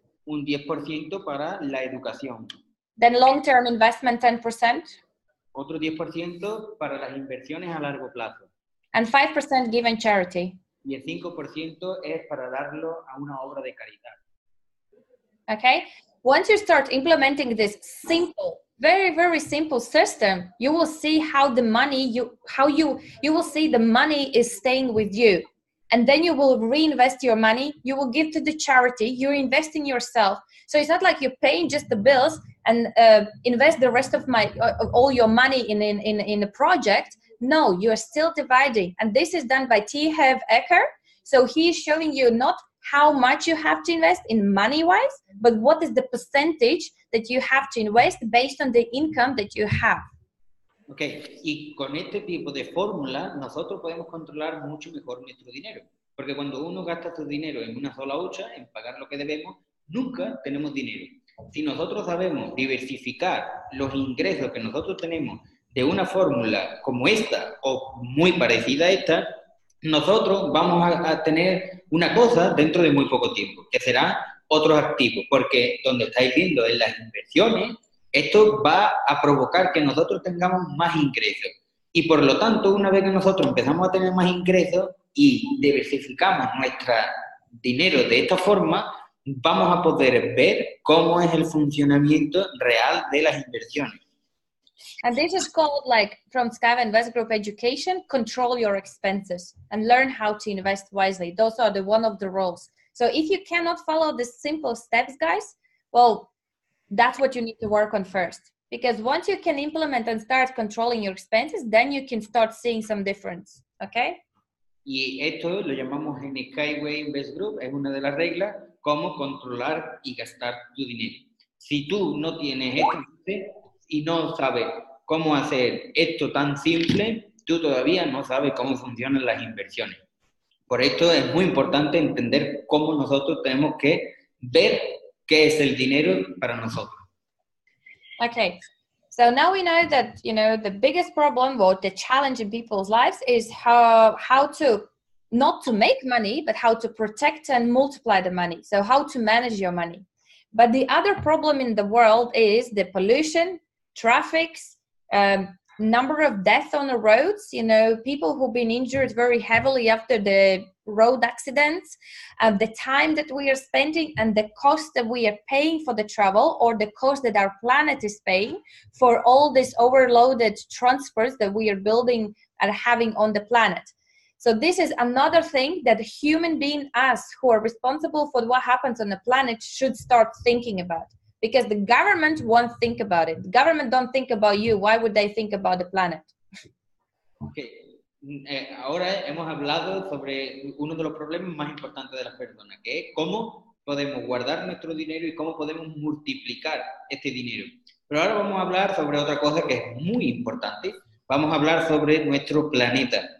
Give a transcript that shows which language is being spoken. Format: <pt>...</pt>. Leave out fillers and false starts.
<es>Un 10% para la educación.</es> <en>Then long-term investment, 10%.</en> <es>Otro 10% para las inversiones a largo plazo.</es> <en>And 5% given charity.</en> <es>Y el 5% es para darlo a una obra de caridad.</es> <en>Okay. Once you start implementing this simple, very, very simple system, you will see how the money, you will see the money is staying with you. And then you will reinvest your money, you will give to the charity, you're investing yourself. So it's not like you're paying just the bills and invest the rest of all your money in a project. No, you're still dividing. And this is done by T. Hev Ecker. So he's showing you not how much you have to invest in money-wise, but what is the percentage that you have to invest based on the income that you have.</en> <es>Ok, y con este tipo de fórmula nosotros podemos controlar mucho mejor nuestro dinero. Porque cuando uno gasta su dinero en una sola hucha, en pagar lo que debemos, nunca tenemos dinero. Si nosotros sabemos diversificar los ingresos que nosotros tenemos de una fórmula como esta o muy parecida a esta, nosotros vamos a tener una cosa dentro de muy poco tiempo, que será otros activos. Porque donde estáis viendo en las inversiones, esto va a provocar que nosotros tengamos más ingresos. Y por lo tanto, una vez que nosotros empezamos a tener más ingresos y diversificamos nuestro dinero de esta forma, vamos a poder ver cómo es el funcionamiento real de las inversiones.</es> <en>And this is called, like, from SkyWay Invest Group Education, control your expenses and learn how to invest wisely. Those are the one of the roles. So if you cannot follow the simple steps, guys, well, that's what you need to work on first. Because once you can implement and start controlling your expenses, then you can start seeing some difference, okay?</en> <es>Y esto lo llamamos en SkyWay Invest Group, es una de las reglas, cómo controlar y gastar tu dinero. Si tú no tienes esto y no sabes cómo hacer esto tan simple, tú todavía no sabes cómo funcionan las inversiones. Por esto es muy importante entender cómo nosotros tenemos que ver qué es el dinero para nosotros.</es> <en>Okay, so now we know that, you know, the biggest problem or the challenge in people's lives is how to not to make money, but how to protect and multiply the money. So how to manage your money. But the other problem in the world is the pollution, traffics, number of deaths on the roads, you know, people who've been injured very heavily after the road accidents, the time that we are spending and the cost that we are paying for the travel or the cost that our planet is paying for all this overloaded transports that we are building and having on the planet. So this is another thing that human beings, us who are responsible for what happens on the planet, should start thinking about. Because the government won't think about it. The government don't think about you. Why would they think about the planet? Okay.</en> <es>Ahora hemos hablado sobre uno de los problemas más importantes de las personas, que es cómo podemos guardar nuestro dinero y cómo podemos multiplicar este dinero. Pero ahora vamos a hablar sobre otra cosa que es muy importante. Vamos a hablar sobre nuestro planeta.</es>